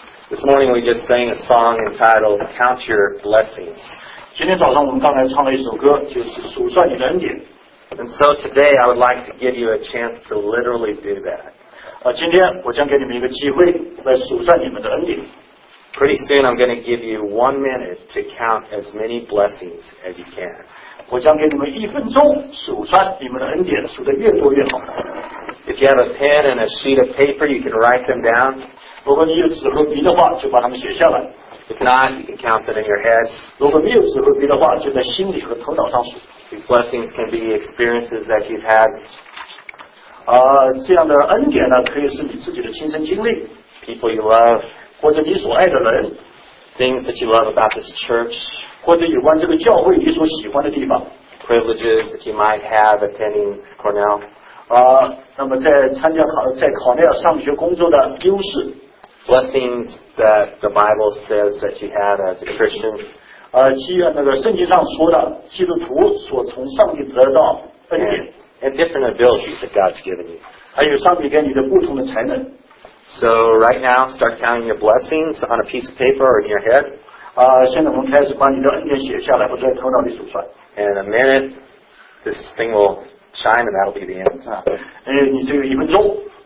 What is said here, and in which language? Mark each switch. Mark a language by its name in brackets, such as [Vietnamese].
[English] This morning we just sang a song entitled Count Your Blessings. [Chinese] 今天早上我们刚才唱了一首歌，就是数算你的恩典。 [English] And so today I would like to give you a chance to literally do that. [Chinese] 今天我将给你们一个机会来数算你们的恩典。 [English] Pretty soon I'm going to give you 1 minute to count as many blessings as you can. [Chinese] 我将给你们一分钟数算你们的恩典，数得越多越好。 [English] If you have a pen and a sheet of paper, you can write them down. [Chinese] 如果你有纸和笔的话，就把它们写下来。 [English] If not, you can count it in your head. [Chinese] 如果没有智慧笔的话，就在心里和头脑上数。 [English] These blessings can be experiences that you've had. [Chinese] 这样的恩典呢，可以是你自己的亲身经历。 [English] People you love. [Chinese] 或者你所爱的人。 [English] Things that you love about this church. [Chinese] 或者有关这个教会你所喜欢的地方。 [English] Privileges that you might have attending Cornell. [Chinese] 那么在考内尔上学工作的优势。 [English] Blessings that the Bible says that you had as a Christian. [Chinese] 那个圣经上说的基督徒所从上帝得到恩典。 [English] And different abilities that God's given you. [Chinese] 还有上帝给你的不同的才能。 [English] So right now, start counting your blessings on a piece of paper or in your head. [Chinese] 现在我们开始把你的恩典写下来，或者在头脑里数出来。 [English] In a minute, this thing will shine and that'll be the end. [Chinese] 你只有一分钟。